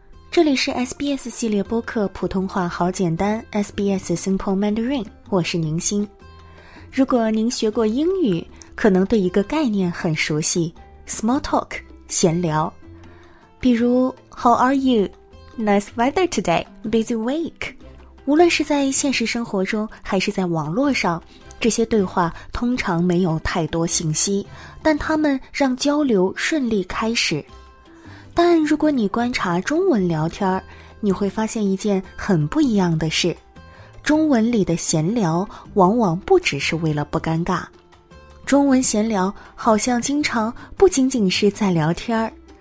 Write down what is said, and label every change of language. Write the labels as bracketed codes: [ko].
[zh] 这里是 SBS 系列播客普通话好简单 SBS Simple Mandarin， 我是宁馨。如果您学过英语，可能对一个概念很熟悉， small talk， 闲聊。 [en] 比如 How are you? Nice weather today. Busy week. [zh] 无论是在现实生活中还是在网络上，这些对话通常没有太多信息，但它们让交流顺利开始。但如果你观察中文聊天，你会发现一件很不一样的事，中文里的闲聊往往不只是为了不尴尬，中文闲聊好像经常不仅仅是在聊天。